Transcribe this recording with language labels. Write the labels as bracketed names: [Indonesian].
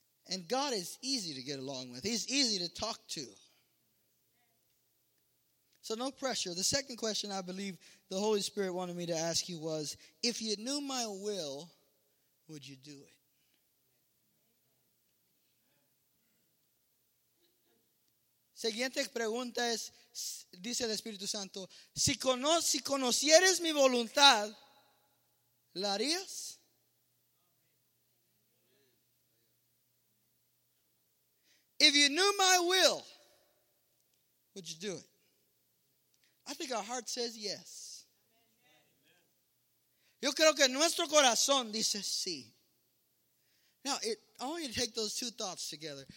[English] And God is easy to get along with. He's easy to talk to. So no pressure. The second question I believe the Holy Spirit wanted me to ask you was, if you knew my will, would you do it? [Spanish] Siguiente pregunta es, dice el Espíritu Santo, si conocieres mi voluntad, ¿la harías? [English] If you knew my will, would you do it? I think our heart says yes. [Spanish] Yo creo que nuestro corazón dice sí. [English] Now, I want you to take those two thoughts together.